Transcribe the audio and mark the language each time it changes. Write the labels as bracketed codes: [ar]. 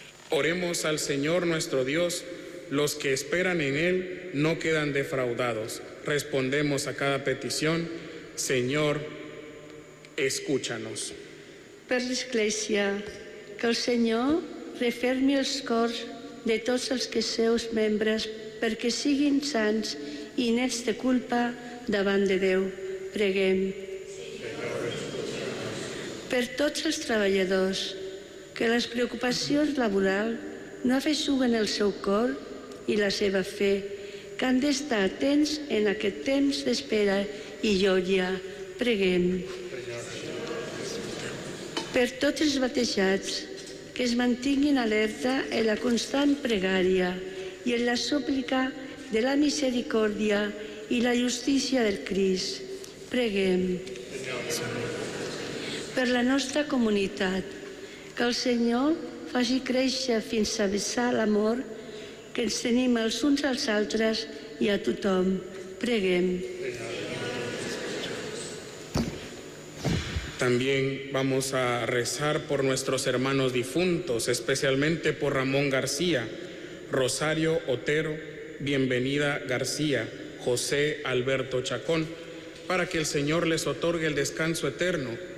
[es] Oremos al Señor nuestro Dios los que esperan en Él no quedan defraudados. Respondemos a cada petición: Señor, escúchanos. [ca] Per l'Església, que el Senyor refermi els cors de tots els que seus membres perquè siguin sants i nets de culpa davant de Déu. Preguem. Per tots els treballadors, que les preocupacions laborals no afeixuguen el seu cor i la seva fe, que han d'estar atents en aquest temps d'espera i lloia. Preguem. Per tots els batejats, que es mantinguin alerta en la constant pregària i en la súplica de la misericòrdia i la justícia del Crist. Preguem. Per la nostra comunitat, que el Senyor faci créixer fins a vessar l'amor que ens tenim els uns als altres i a tothom. Preguem. [es] También vamos a rezar por nuestros hermanos difuntos, especialmente por Ramón García, Rosario Otero, Bienvenida García, José Alberto Chacón, para que el Señor les otorgue el descanso eterno.